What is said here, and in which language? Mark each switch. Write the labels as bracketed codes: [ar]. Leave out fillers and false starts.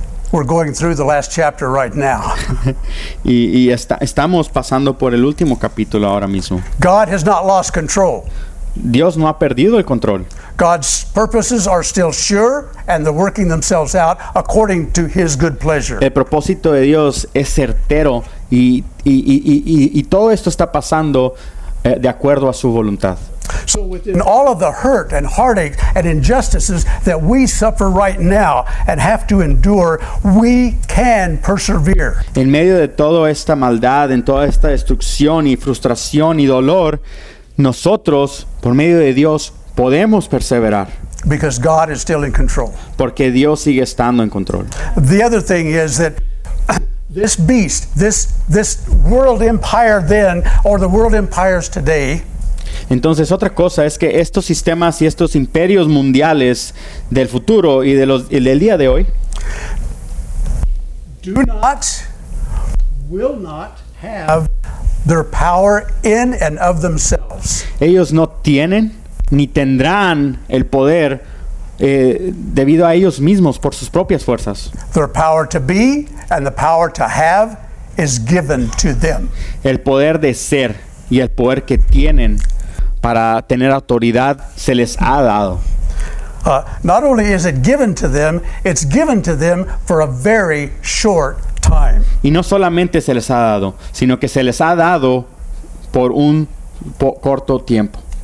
[en] We're going through the last chapter right now. [es] Estamos pasando por el último capítulo ahora mismo. [en] God has not lost control. [es] Dios no ha perdido el control. [en] God's purposes are still sure and they're working themselves out according to His good pleasure. [es] El propósito de Dios es certero y todo esto está pasando de acuerdo a su voluntad. [en] So within all of the hurt and heartache and injustices that we suffer right now and have to endure, we can persevere. [es] En medio de toda esta maldad, en toda esta destrucción y frustración y dolor, nosotros, por medio de Dios, podemos perseverar. [en] Because God is still in control. [es] Porque Dios sigue estando en control. [en] The other thing is that this beast, this world empire then, or the world empires today, [es] entonces, otra cosa es que estos sistemas y estos imperios mundiales del futuro y del día de hoy [en] do not, will not have their power in and of themselves. [es] Ellos no tienen ni tendrán el poder debido a ellos mismos por sus propias fuerzas. [en] Their power to be and the power to have is given to them. [es] El poder de ser y el poder que tienen para tener autoridad se les ha dado. [en] Not only is it given to them, it's given to them for a very short time. [es] Y no solamente se les ha dado, sino que se les ha dado por un corto tiempo.